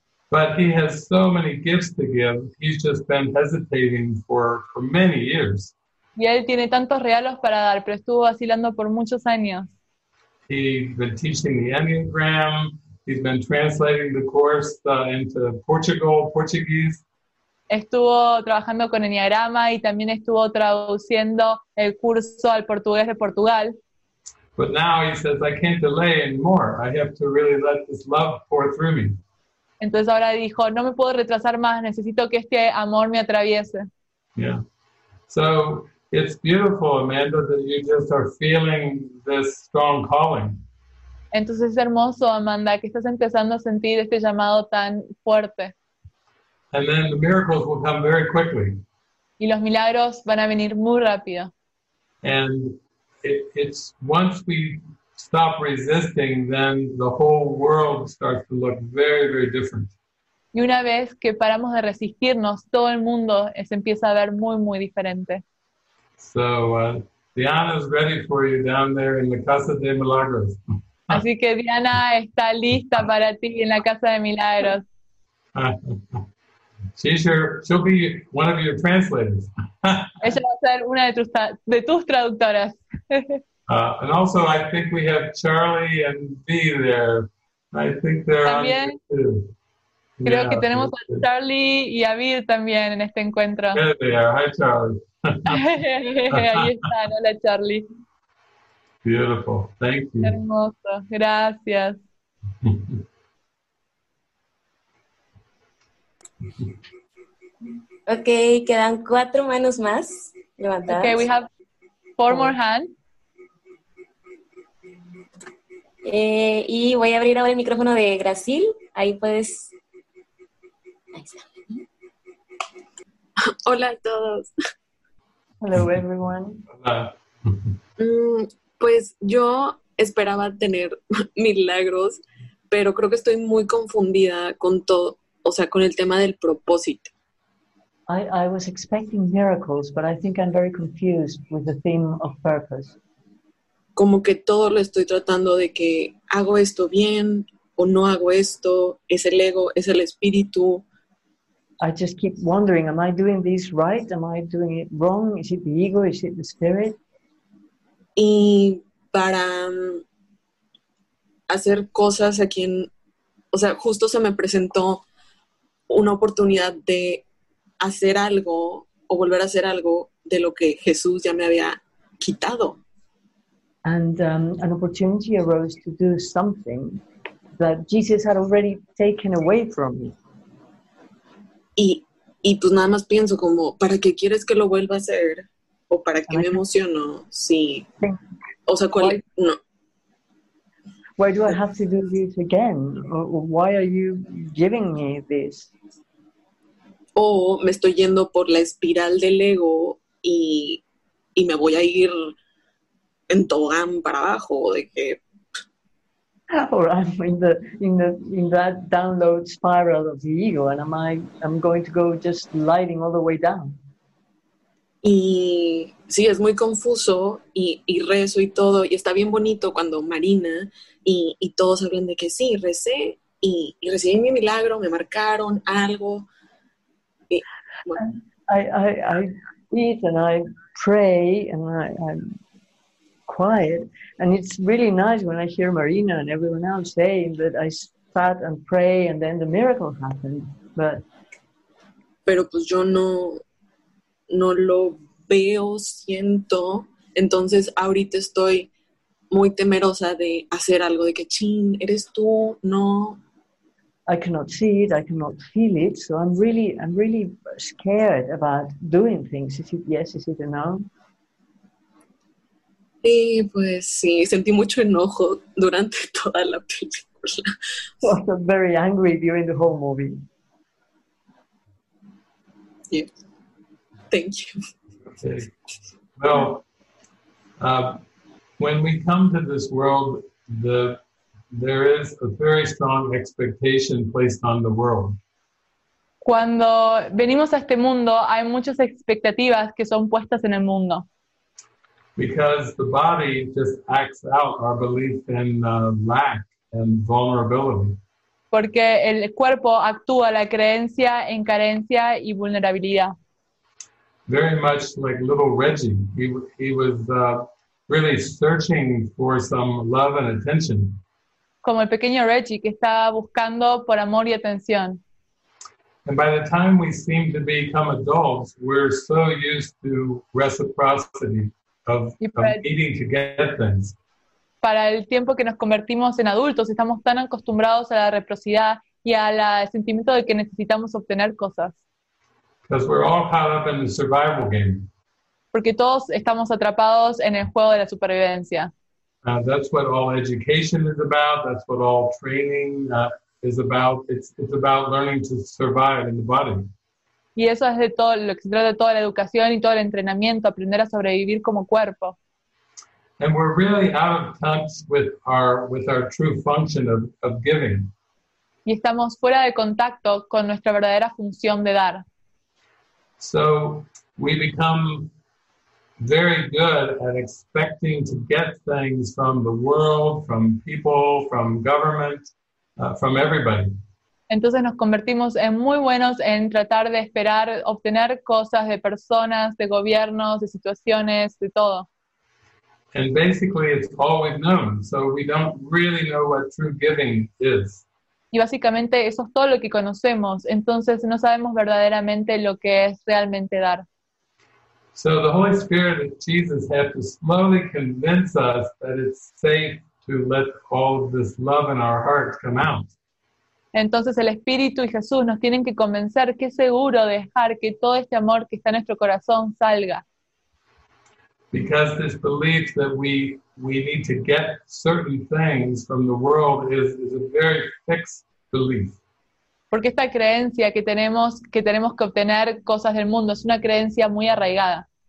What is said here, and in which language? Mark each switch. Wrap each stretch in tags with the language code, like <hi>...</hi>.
<en>But he has so many gifts to give, he's just been hesitating for many years.</en> <es>Y él tiene tantos regalos para dar, pero estuvo vacilando por muchos años.</es> <en>He's been teaching the Enneagram. He's been translating the course into Portuguese.</en> <es>Estuvo trabajando con Enneagrama y también estuvo traduciendo el curso al portugués de Portugal.</es> <en>But now he says, "I can't delay anymore. I have to really let this love pour through me."</en> <es>Entonces ahora dijo, no me puedo retrasar más, necesito que este amor me atraviese.</es> <en>Yeah. So it's beautiful, Amanda, that you just are feeling this strong calling.</en> <es>Entonces es hermoso, Amanda, que estás empezando a sentir este llamado tan fuerte.</es> <en>And then the miracles will come very quickly.</en> <es>Y los milagros van a venir muy rápido.</es> <en>And it's once we stop resisting, then the whole world starts to look very, very different.</en> <es>Y una vez que paramos de resistirnos, todo el mundo se empieza a ver muy, muy diferente.</es> <en>So, Diana is ready for you down there in the Casa de Milagros.</en> <es>Así que Diana está lista para ti en la Casa de Milagros.</es> <en>She'll be one of your translators.</en> <es>Ella va a ser una de tus traductoras.</es> <en>And also, I think we have Charlie and Dee there. I think they're</en> <es>también</es> <en>on the too.</en> <es>Creo que tenemos a Charlie y a Bill también en este encuentro.</es> <en>There they are. Hi, Charlie.</en> <es>Ahí están. Hola, Charlie.</es> <en>Beautiful. Thank you.</en> <es>Hermoso. Gracias. Okay, quedan cuatro manos más. Levantadas.</es> <en>Okay, we have four more hands.</en> <es>Y voy a abrir ahora el micrófono de Gracil. Ahí puedes. Hola a todos.</es> <en>Hello everyone.</en> <es>Hola. Pues yo esperaba tener milagros, pero creo que estoy muy confundida con todo. O sea, con el tema del propósito.</es> <en>I was expecting miracles, but I think I'm very confused with the theme of purpose.</en> <es>Como que todo lo estoy tratando de que hago esto bien o no hago esto, es el ego, es el espíritu.</es> <en>I just keep wondering, am I doing this right? Am I doing it wrong? Is it the ego? Is it the spirit?</en> <es>Y para hacer cosas aquí en, o sea, justo se me presentó una oportunidad de hacer algo o volver a hacer algo de lo que Jesús ya me había quitado.</es> <en>And an opportunity arose to do something that Jesus had already taken away from me.</en> <es>Y pues nada más pienso como, ¿para qué quieres que lo vuelva a hacer? O ¿para qué me emociono? Sí. O sea, ¿cuál? No.</es> <en>Why do I have to do this again? Or why are you giving me this?</en> <es>O me estoy yendo por la espiral del ego y me voy a ir en tobogán para abajo, de que...</es> <en>Or I'm in that download spiral of the ego and I'm going to go just sliding all the way down.</en> <es>Y sí, es muy confuso y rezo y todo, y está bien bonito cuando Marina y todos hablan de que sí, recé y recibí mi milagro, me marcaron algo. Y, bueno.</es> <en>I eat and I pray and I'm quiet, and it's really nice when I hear Marina and everyone else saying that I sat and pray and then the miracle happened, but...</en> <es>Pero pues yo no lo veo, siento, entonces ahorita estoy muy temerosa de hacer algo, de que ching, eres tú, no.</es> <en>I cannot see it, I cannot feel it, so I'm really scared about doing things. Is it yes, is it a no?</en> <es>Sí, pues sí, sentí mucho enojo durante toda la película.</es> <en>I was very angry during the whole movie. Yeah. Thank you. Okay. Well, when we come to this world, there is a very strong expectation placed on the world.</en> <es>Cuando venimos a este mundo, hay muchas expectativas que son puestas en el mundo.</es> <en>Because the body just acts out our belief in lack and vulnerability.</en> <es>Porque el cuerpo actúa la creencia en carencia y vulnerabilidad.</es> <en>Very much like little Reggie. He was really searching for some love and attention.</en> <es>Como el pequeño Reggie que estaba buscando por amor y atención.</es> <en>And by the time we seem to become adults, we're so used to reciprocity. Of needing to get things.</en> <es>Para el tiempo que nos convertimos en adultos, estamos tan acostumbrados a la reciprocidad y al sentimiento de que necesitamos obtener cosas.</es> <en>Because we're all caught up in the survival game.</en> <es>Porque todos estamos atrapados en el juego de la supervivencia.</es> <en>That's what all education is about. That's what all training is about. It's about learning to survive in the body.</en> <es>Y eso es de todo lo que se trata de toda la educación y todo el entrenamiento, aprender a sobrevivir como cuerpo.</es> <en>And we're really out of touch with our true function of giving.</en> <es>Y estamos fuera de contacto con nuestra verdadera función de dar.</es> <en>So we become very good at expecting to get things from the world, from people, from government, from everybody.</en> <es>Entonces nos convertimos en muy buenos en tratar de esperar obtener cosas de personas, de gobiernos, de situaciones, de todo.</es> <en>And basically it's all we've known, so we don't really know what true giving is.</en> <es>Y básicamente eso es todo lo que conocemos, entonces no sabemos verdaderamente lo que es realmente dar.</es> <en>So the Holy Spirit and Jesus have to slowly convince us that it's safe to let all of this love in our hearts come out.</en> <es>Entonces el Espíritu y Jesús nos tienen que convencer que es seguro dejar que todo este amor que está en nuestro corazón salga.</es> <en>Because this belief that we need to get certain things from the world is a very fixed belief.</en> <es>Porque esta creencia que tenemos que obtener cosas del mundo es una creencia muy arraigada.</es>